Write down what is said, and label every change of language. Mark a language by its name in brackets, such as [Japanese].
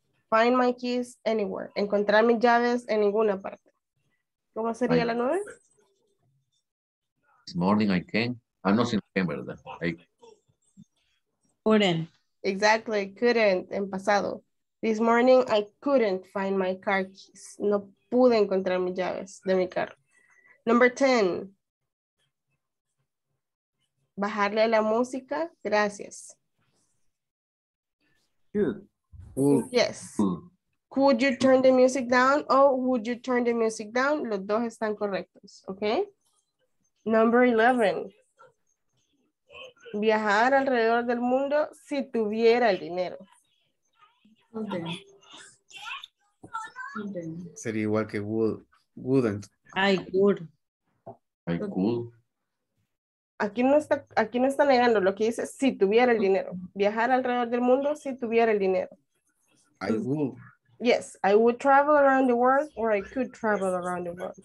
[English] Find my keys anywhere. [Spanish] Encontrar mis llaves en ninguna parte. ¿Cómo sería la nueve? [English] This morning I can. [Spanish] Ah, no, sin que, ¿verdad? [English] Couldn't. Exactly, couldn't, [Spanish] en pasado. [English] This morning I couldn't find my car keys. [Spanish] No pude encontrar mis llaves de mi carro. [English] Number 10. [Spanish] Bajarle la música, gracias. [English] Could you turn the music down? Or would you turn the music down? [Spanish] Los dos están correctos, ¿ok? [English] Number 11. [Spanish] Viajar alrededor del mundo si tuviera el dinero. [English] Okay. [Spanish] Sería igual que wouldn't. [English] I could. [Spanish] Aquí no está negando lo que dice si tuviera el dinero. Viajar alrededor del mundo si tuviera el dinero. [English] I would. Yes, I would travel around the world or I could travel around the world.